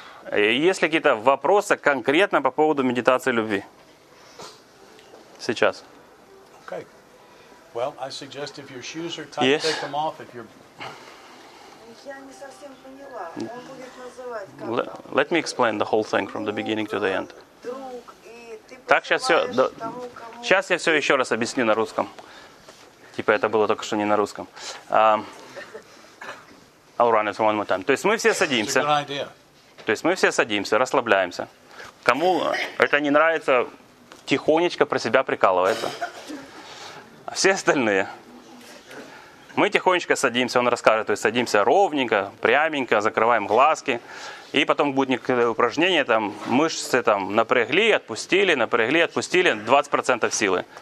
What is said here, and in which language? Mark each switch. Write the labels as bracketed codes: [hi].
[ru] Есть ли какие-то вопросы конкретно по поводу медитации любви? Сейчас. [en] Okay. Well, I suggest if your shoes are tight, yes. Take them off. If you're... [ru] Я не совсем поняла. Он будет называть как? [en] Let me explain the whole thing from the beginning to the end. [ru] Друг, и ты так, сейчас все. Сейчас я все еще раз объясню на русском. Типа это было только что не на русском. [en] I'll run it one more time. [ru] То есть мы все садимся. То есть мы все садимся, расслабляемся. Кому это не нравится, тихонечко про себя прикалывается. А все остальные. Мы тихонечко садимся, он расскажет. То есть садимся ровненько, пряменько, закрываем глазки. И потом будет некое упражнение, там, мышцы там напрягли, отпустили, 20% силы.